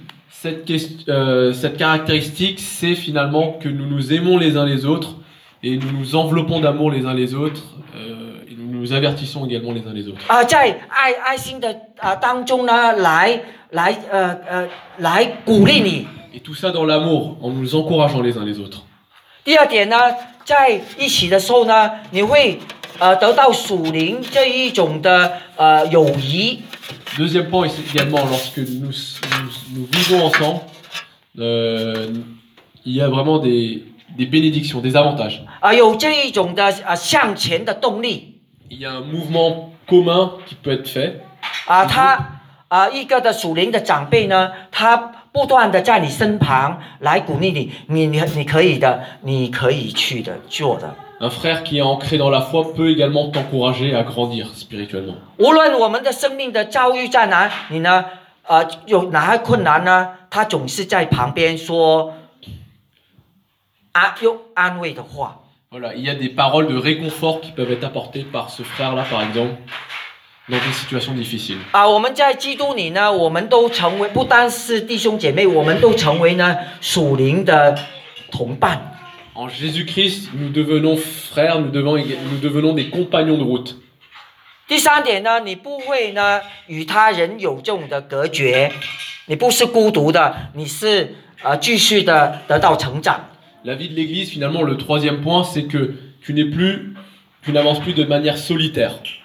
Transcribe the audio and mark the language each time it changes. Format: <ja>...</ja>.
<fr>Cette caractéristique, c'est finalement que nous nous aimons les uns les autres, et nous nous enveloppons d'amour les uns les autres,Nous avertissons également les uns les autres.</fr> <zh>在爱爱心的当中呢，来鼓励你。</zh> <fr>Et tout ça dans l'amour, en nous encourageant les uns les autres.</fr> <zh>第二点呢，在一起的时候呢，你会得到属灵这一种的友谊。</zh> <fr>Deuxième point c'est également lorsque nous vivons ensemble, il y a vraiment des bénédictions, des avantages.</fr> <zh>有这一种的向前的动力。</zh> <fr>Il y a un mouvement commun qui peut être fait.</fr> <zh>Ah,</zh> <fr>il a un</fr> <zh>个的属灵的长辈呢，他不断的在你身旁来鼓励你，你可以的，你可以去的，做的。</zh> <fr>Un frère qui est ancré dans la foi peut également t'encourager à grandir spirituellement.</fr> <zh>无论我们的生命的遭遇在哪里呢，有哪些困难呢，他总是在旁边说，用安慰的话。</zh> <fr>Voilà, il y a des paroles de réconfort qui peuvent être apportées par ce frère-là, par exemple, dans des situations difficiles.</fr> <zh>Ah, 我们在基督里呢，我们都成为不单是弟兄姐妹，我们都成为呢属灵的同伴。</zh> <fr>En Jésus-Christ, nous devenons frères, nous devenons des compagnons de route.</fr> <zh>第三点呢，你不会呢与他人有这种的隔绝，你不是孤独的，你是继续的得到成长。</zh> <fr>La vie de l'église, finalement, le troisième point, c'est que tu n'avances plus de manière solitaire.</fr>